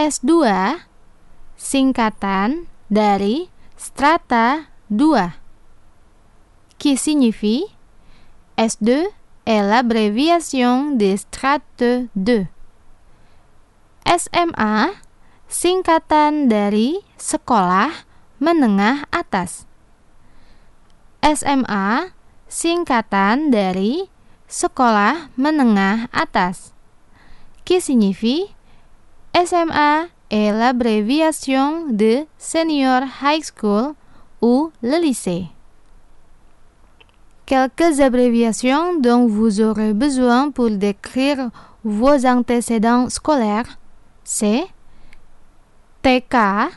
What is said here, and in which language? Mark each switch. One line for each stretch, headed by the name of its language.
Indonesian: S2, singkatan dari strata 2.
French: Qui signifie S2 est l'abréviation de strate 2.
Indonesian: SMA, singkatan dari sekolah menengah atas. SMA, singkatan dari sekolah menengah atas.
French: Qui signifie SMA est l'abréviation de senior high school ou le lycée. Quelques abréviations dont vous aurez besoin pour décrire vos antécédents scolaires, c'est TK.